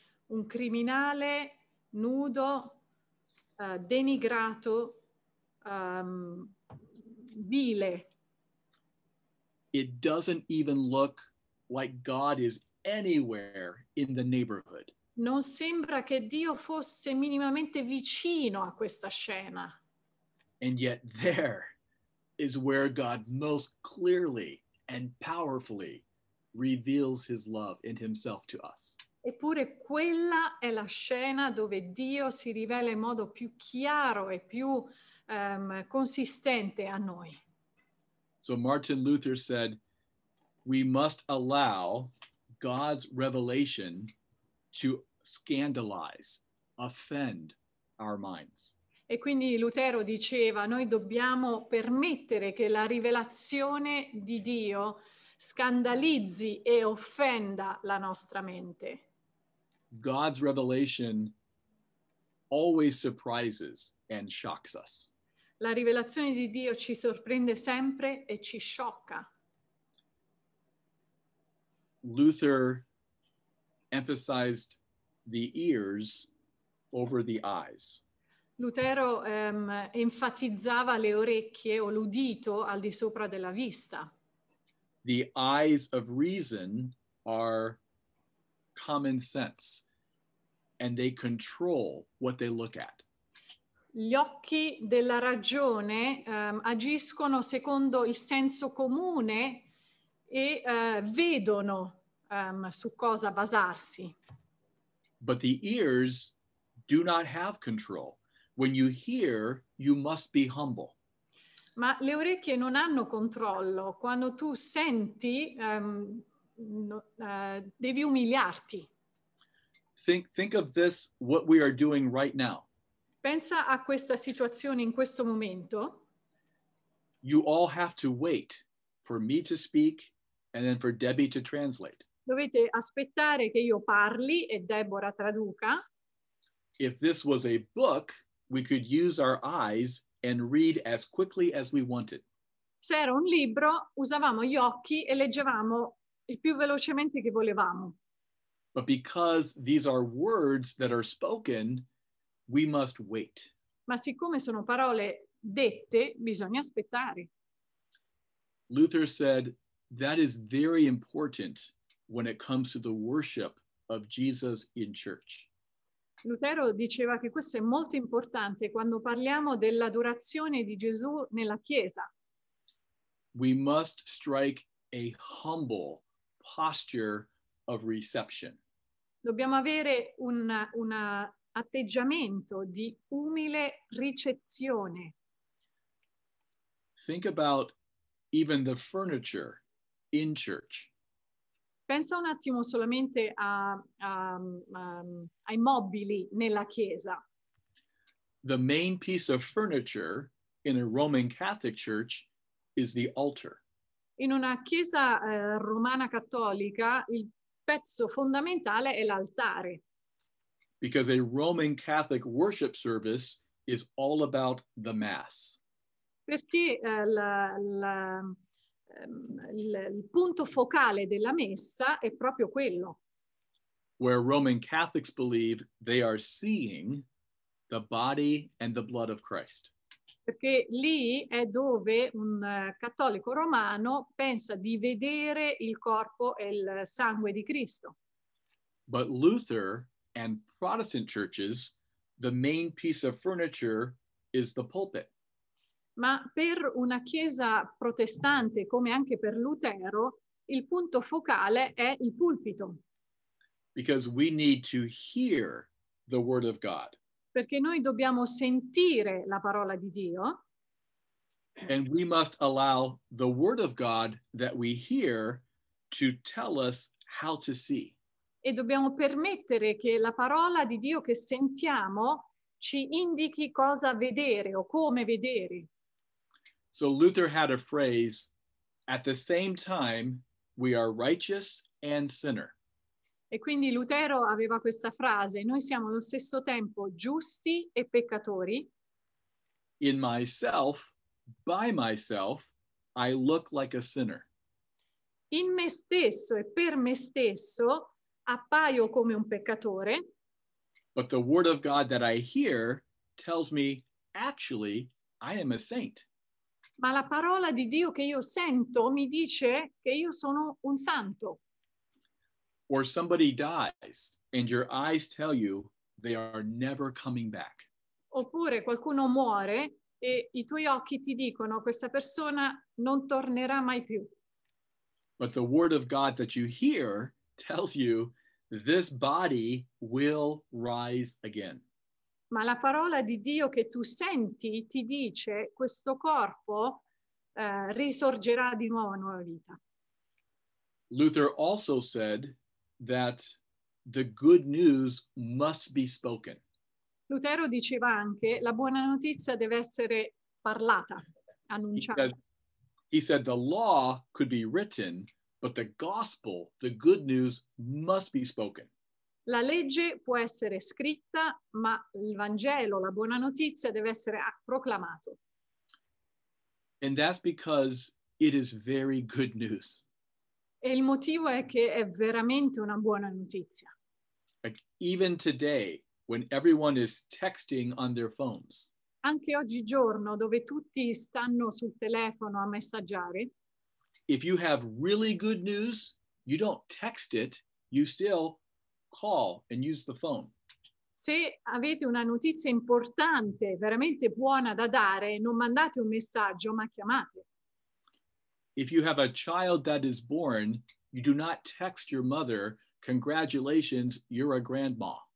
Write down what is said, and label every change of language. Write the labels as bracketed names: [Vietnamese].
[Italian] Un criminale nudo, denigrato, vile. [English] It doesn't even look like God is anywhere in the neighborhood. [Italian] Non sembra che Dio fosse minimamente vicino a questa scena. [English] And yet there is where God most clearly and powerfully reveals his love in himself to us. [Italian] Eppure quella è la scena dove Dio si rivela in modo più chiaro e più consistente a noi. [English] So Martin Luther said, we must allow God's revelation to scandalize, offend our minds. [Italian] E quindi Lutero diceva, noi dobbiamo permettere che la rivelazione di Dio scandalizzi e offenda la nostra mente. [English] God's revelation always surprises and shocks us. [Italian] La rivelazione di Dio ci sorprende sempre e ci sciocca. [English] Luther emphasized the ears over the eyes. [Italian] Lutero enfatizzava le orecchie o l'udito al di sopra della vista. [English] The eyes of reason are common sense and they control what they look at. [Italian] Gli occhi della ragione agiscono secondo il senso comune e vedono su cosa basarsi. [English] But the ears do not have control. When you hear, you must be humble. [Italian] Ma le orecchie non hanno controllo. Quando tu senti, devi umiliarti. [English] Think of this, what we are doing right now. [Italian] Pensa a questa situazione in questo momento. [English] You all have to wait for me to speak and then for Debbie to translate. [Italian] Dovete aspettare che io parli e Deborah traduca. [English] If this was a book, we could use our eyes and read as quickly as we wanted. [Italian] Se era un libro, usavamo gli occhi e leggevamo il più velocemente che volevamo. [English] But because these are words that are spoken, we must wait. [Italian] Ma siccome sono parole dette, bisogna aspettare. [English] Luther said that is very important when it comes to the worship of Jesus in church. [Italian] Lutero diceva che questo è molto importante quando parliamo dell'adorazione di Gesù nella Chiesa. [English] We must strike a humble posture of reception. [Italian] Dobbiamo avere un atteggiamento di umile ricezione. [English] Think about even the furniture in church. [Italian] Pensa un attimo solamente ai mobili nella chiesa. [English] The main piece of furniture in a Roman Catholic church is the altar. [Italian] In una chiesa romana cattolica, il pezzo fondamentale è l'altare. [English] Because a Roman Catholic worship service is all about the Mass. [Italian] Perché il punto focale della messa è proprio quello. [English] Where Roman Catholics believe they are seeing the body and the blood of Christ. [Italian] Perché lì è dove un cattolico romano pensa di vedere il corpo e il sangue di Cristo. [English] But Luther and Protestant churches, the main piece of furniture is the pulpit. [Italian] Ma per una chiesa protestante, come anche per Lutero, il punto focale è il pulpito. [English] Because we need to hear the word of God. [Italian] Perché noi dobbiamo sentire la parola di Dio. [English] And we must allow the word of God that we hear to tell us how to see. [Italian] E dobbiamo permettere che la parola di Dio che sentiamo ci indichi cosa vedere o come vedere. [English] So Luther had a phrase, at the same time, we are righteous and sinner. [Italian] E quindi Lutero aveva questa frase, noi siamo allo stesso tempo giusti e peccatori. [English] In myself, by myself, I look like a sinner. [Italian] In me stesso e per me stesso, appaio come un peccatore. [English] But the word of God that I hear tells me, actually, I am a saint. [Italian] Ma la parola di Dio che io sento mi dice che io sono un santo. [English] Or somebody dies and your eyes tell you they are never coming back. [Italian] Oppure qualcuno muore e i tuoi occhi ti dicono questa persona non tornerà mai più. [English] But the word of God that you hear tells you this body will rise again. [Italian] Ma la parola di Dio che tu senti ti dice questo corpo risorgerà di nuovo a nuova vita. [English] Luther also said that the good news must be spoken. [Italian] Lutero diceva anche la buona notizia deve essere parlata, annunciata. [English] He said the law could be written, but the gospel, the good news, must be spoken. [Italian] La legge può essere scritta, ma il Vangelo, la buona notizia, deve essere proclamato. [English] And that's because it is very good news. [Italian] E il motivo è che è veramente una buona notizia. [English] Even today, when everyone is texting on their phones. [Italian] Anche oggigiorno, dove tutti stanno sul telefono a messaggiare. [English] If you have really good news, you don't text it, you still call and use the phone. [Italian] Se avete una notizia importante, veramente buona da dare, non mandate un messaggio, ma chiamate. [English] If you have a child that is born, you do not text your mother, congratulations, you're a grandma.